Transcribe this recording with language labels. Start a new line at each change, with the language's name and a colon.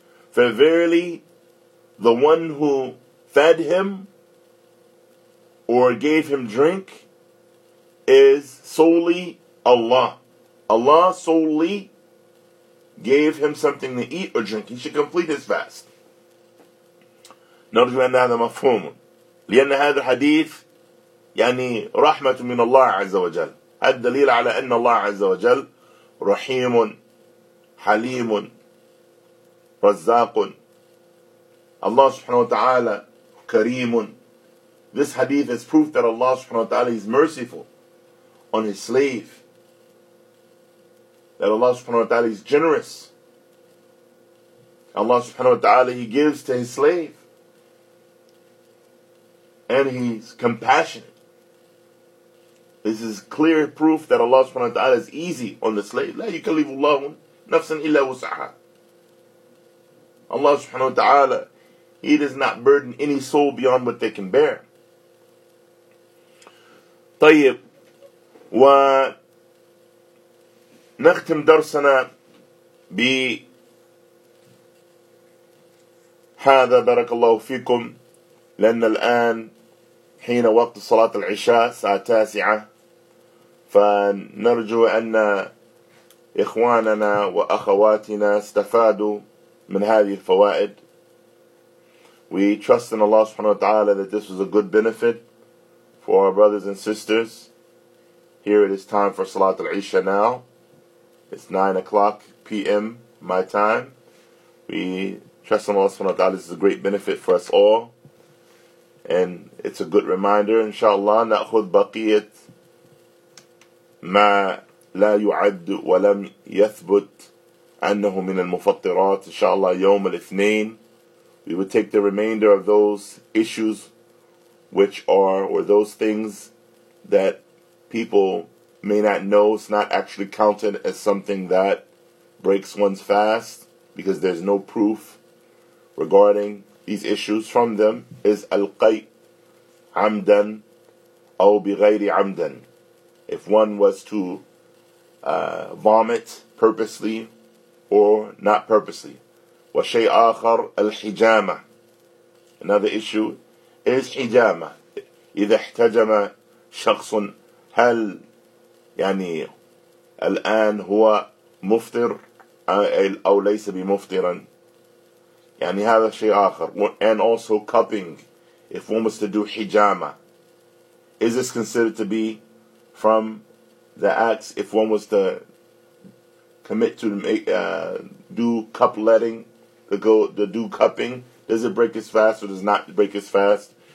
English: For verily, the one who fed him or gave him drink is solely Allah. Allah solely gave him something to eat or drink. He should complete his fast.
Arabic: نرجو أن هذا مفهوم. لأن هذا الحديث يعني رحمة من الله عز وجل. الدليل على أن الله عز وجل رحيم حليم رزاق الله سبحانه وتعالى كريم.
English: This hadith is proof that Allah subhanahu wa ta'ala is merciful on his slave. That Allah subhanahu wa ta'ala is generous. Allah subhanahu wa ta'ala, he gives to his slave. And he's compassionate. This is clear proof that Allah subhanahu wa ta'ala is easy on the slave.
Arabic: لا يكلف الله نفسا إلا وسعها.
English: Allah subhanahu wa ta'ala, he does not burden any soul beyond what they can bear.
Arabic: طيب ونختم درسنا بهذا بارك الله فيكم لأن الآن حين وقت صلاة العشاء ساعة 9 فنرجو أن إخواننا وأخواتنا استفادوا من هذه الفوائد.
English: We trust in Allah
Arabic: سبحانه وتعالى
English: that this was a good benefit for our brothers and sisters. Here it is time for Salat al-Isha now. It's 9 o'clock p.m. my time. We trust in Allah subhanahu wa ta'ala. This is a great benefit for us all. And it's a good reminder. Inshallah,
Arabic: نأخذ بقية ما لا يعد ولم يثبت أنه من المفطرات. إن شاء الله يوم الاثنين
English: we will take the remainder of those issues which are, or those things that people may not know, it's not actually counted as something that breaks one's fast because there's no proof regarding these issues from them, is
Arabic: القيء عمدا أو بغير عمدا.
English: If one was to vomit purposely or not purposely.
Arabic: وشيء آخر الحجامة.
English: Another issue is حجامة.
Arabic: إذا احتجم شخص هل يعني الآن هو مفطر أو ليس بمفطرا. يعني هذا شيء آخر.
English: And also cupping. If one was to do حجامة. Is this considered to be from the acts, if one was to commit to do cup letting, to do cupping, does it break his fast or does not break his fast?